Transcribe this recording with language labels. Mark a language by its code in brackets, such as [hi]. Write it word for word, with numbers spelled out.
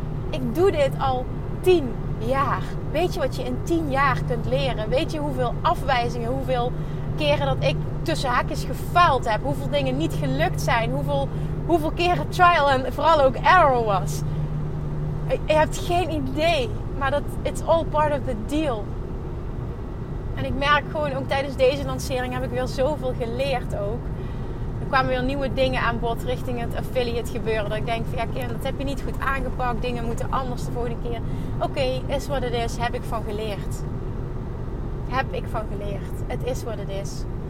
[nl] Ik doe dit al tien jaar. Weet je wat je in tien jaar kunt leren? Weet je hoeveel afwijzingen, hoeveel keren dat ik tussen haakjes gefaald heb? Hoeveel dingen niet gelukt zijn? Hoeveel, hoeveel keren trial en vooral ook error was? Je hebt geen idee. Maar dat [en] it's all part of the deal. [nl] En ik merk gewoon, ook tijdens deze lancering heb ik weer zoveel geleerd ook. Er kwamen weer nieuwe dingen aan bod richting het affiliate gebeuren. Dat ik denk van, ja Kim, dat heb je niet goed aangepakt. Dingen moeten anders de volgende keer. Oké, okay, is wat het is. Heb ik van geleerd. Heb ik van geleerd. Het is wat het is.